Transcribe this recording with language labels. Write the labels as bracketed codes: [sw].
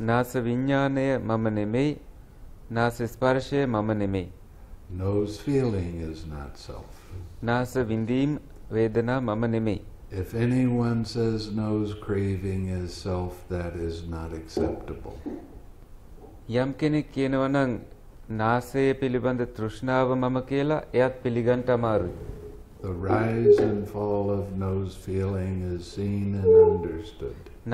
[si] නාස විඥානය මම නෙමෙයි නාස ස්පර්ශය මම නෙමෙයි [en] nose feeling is not self [si] නාස විඳීම වේදනා මම නෙමෙයි [en] If anyone says nose craving is self that is not acceptable [si] යම් කෙනෙක් කියනවනම් නාසය පිළිබඳ තෘෂ්ණාව මම කියලා එයත් පිළිගන්න අමාරුයි. [en] The rise and fall of nose feeling is seen and understood.